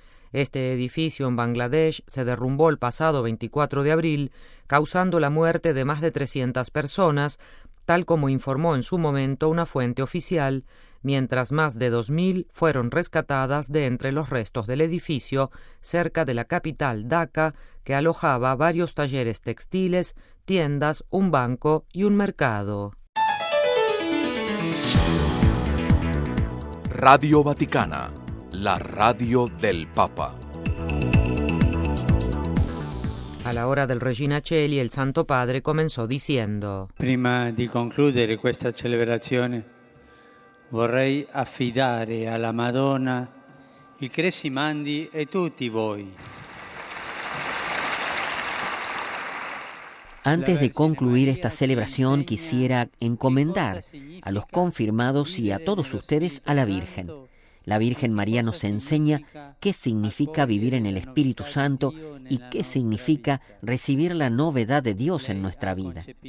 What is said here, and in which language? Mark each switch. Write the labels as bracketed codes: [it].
[es] Este edificio en Bangladesh se derrumbó el pasado 24 de abril, causando la muerte de más de 300 personas, tal como informó en su momento una fuente oficial, mientras más de 2.000 fueron rescatadas de entre los restos del edificio cerca de la capital Dhaka, que alojaba varios talleres textiles, tiendas, un banco y un mercado. Radio Vaticana, la radio del Papa. A la hora del Regina Coeli, el Santo Padre comenzó diciendo: [it] Prima di concludere questa celebrazione, vorrei affidare alla Madonna il Crescimandi e tutti voi. [es] Antes de concluir esta celebración, quisiera encomendar a los confirmados y a todos ustedes a la Virgen. La Virgen María nos enseña qué significa vivir en el Espíritu Santo y qué significa recibir la novedad de Dios en nuestra vida.